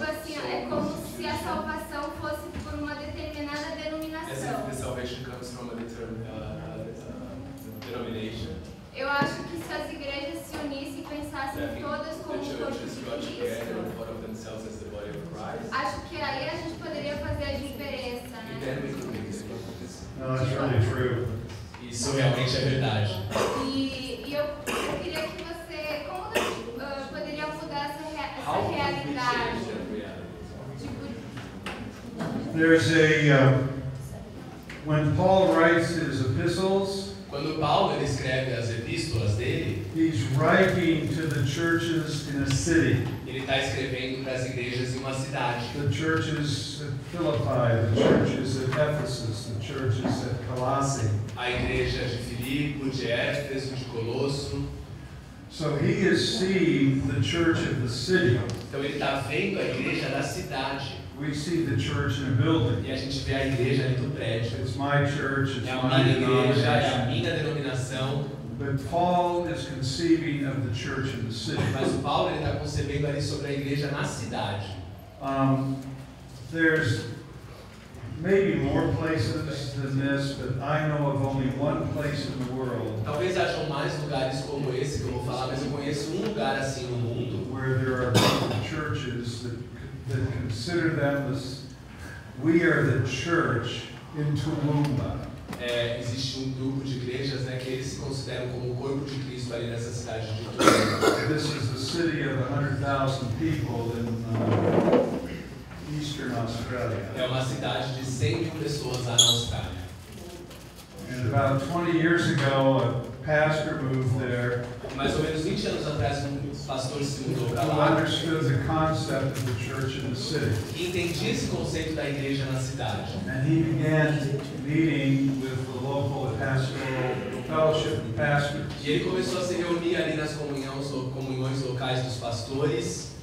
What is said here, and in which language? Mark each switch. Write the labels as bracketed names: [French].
[Portuguese] Tipo assim, é como se a salvação fosse por uma determinada denominação. [English] As if the salvation comes from a denomination. [Portuguese] Eu acho que se as igrejas se unissem e pensassem todas como o corpo de Cristo, acho que aí a gente poderia fazer a diferença, né? [English] Then we could make a difference. No, it's really true. [Portuguese] Isso realmente é verdade. E eu queria que você, como poderia mudar essa realidade? [English] There's a when Paul writes his epistles. [Portuguese] Quando Paulo escreve as epístolas dele, [English] he's writing to the churches in a city. [Portuguese] Ele está escrevendo para as igrejas em uma cidade. [English] The churches at Philippi, the churches at Ephesus, the churches at Colossae. [Portuguese] A igreja de Filipe, de Éfeso, de Colosso. [English] So he is seeing the church of the city. [Portuguese] Então ele está vendo a igreja da cidade. [English] We see the church in a building. [Portuguese] E a gente vê a igreja ali no prédio. [English] It's my church, it's [Portuguese] é uma [English] my [Portuguese] igreja, é a minha denominação. [English] But Paul is conceiving of the church in the city. [Portuguese] Mas Paulo está concebendo ali sobre a igreja na cidade. [English] There's maybe more places than this, but I know of only one place in the world. [Portuguese] Talvez haja mais lugares como esse que eu vou falar, mas eu conheço um lugar assim no mundo. [English] Where there are churches that consider them as we are the church in Toowoomba. [Portuguese] É, existe grupo de igrejas, né, que eles se consideram como o corpo de Cristo ali nessa cidade de Toowoomba. [English] This is a city of 100,000 people in eastern Australia. [Portuguese] É uma cidade de 100 mil pessoas lá na Austrália. [English] And about 20 years ago, a pastor moved there. [Portuguese] Mais ou menos 20 anos atrás, pastor se mudou para lá. [English] Understood the concept of the church in the city. [Portuguese] Entendi esse conceito da igreja na cidade. [English] And he began meeting with the local pastoral fellowship and pastors. [Portuguese] E ele começou a se reunir ali nas comunhões locais dos pastores.